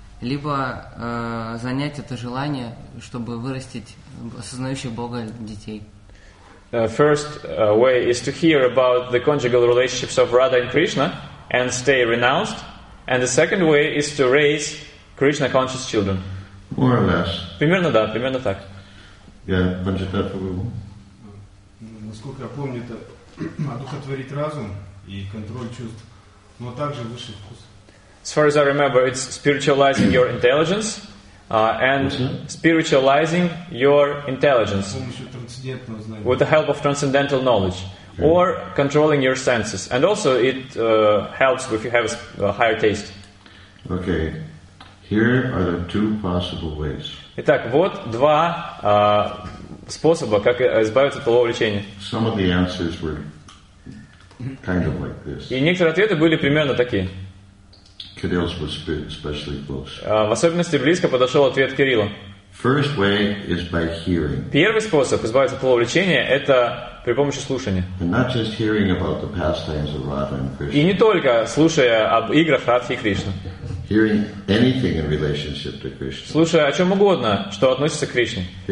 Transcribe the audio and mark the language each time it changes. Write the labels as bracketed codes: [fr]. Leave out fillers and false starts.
[ru] Либо занять это желание, чтобы вырастить осознающих Бога детей. [en] First way is to hear about the conjugal relationships of Radha and Krishna and stay renounced. And the second way is to raise Krishna conscious children. More or less. [ru] Примерно да, примерно так. [en] Yeah, Панчатар Прабху. [ru] Насколько я помню, это одухотворить разум и контроль чувств, но также высший вкус. [en] As far as I remember, it's spiritualizing your intelligence. And spiritualizing your intelligence with the help of transcendental knowledge or controlling your senses. And also it helps if you have a higher taste. Okay. Here are the two possible ways. [ru] Итак, вот два способа, как избавиться от полового влечения. [en] Some of the answers were kind of like this. [ru] И некоторые ответы были примерно такие. [en] Кирилл [ru] был [en] especially close. [ru] В особенности близко подошел ответ Кирилла. [en] First way is by hearing. [ru] Первый способ избавиться от увлечения – это при помощи слушания. [en] And not just hearing about the pastimes of Radha and Krishna. [ru] И не только слушая об играх Радхи и Кришны. [en] Hearing anything in relationship to Krishna. [ru] Слушая о чем угодно, что относится к Кришне.